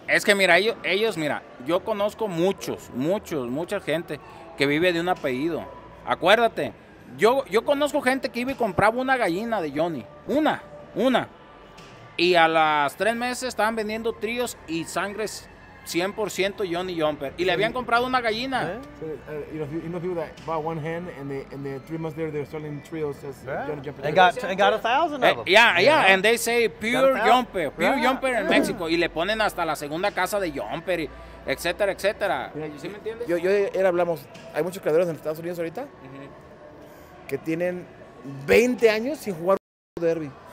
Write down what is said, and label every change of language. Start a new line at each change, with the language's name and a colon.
Spanish: Es que mira, ellos, mira, yo conozco muchos, mucha gente que vive de un apellido. Acuérdate, yo conozco gente que iba y compraba una gallina de Johnny. Una. Y a las tres meses estaban vendiendo tríos y sangres 100% Johnny Jumper. Y le habían comprado una gallina.
English: You know, people that bought one hen and the 3 months later, they're selling trios as Johnny Jumper. They got 1,000 of them. Yeah, and they say pure Jumper. Pure Jumper in Mexico.
Spanish: Y le ponen hasta la segunda casa de Jumper, etcétera, etcétera.
English: Yeah,
Spanish: ¿sí me entiendes? Yo y él hablamos, hay muchos creadores en Estados Unidos ahorita que tienen 20 años sin jugar un derby.